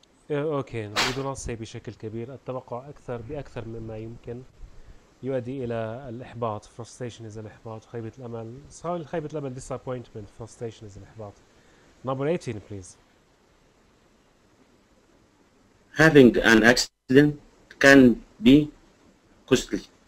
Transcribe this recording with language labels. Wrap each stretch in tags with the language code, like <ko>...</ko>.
<en>Okay, we do not say</en> <ar>بشكل كبير. التوقع أكثر بأكثر مما يمكن يؤدي إلى الإحباط.</ar> <en>Frustration is الإحباط.</en> <ar>خيبة الأمل.</ar> <en>So,</en> <ar>خيبة الأمل</ar> <en>disappointment. Frustration is الإحباط. Number 18, please. Having an accident can be costly.</en>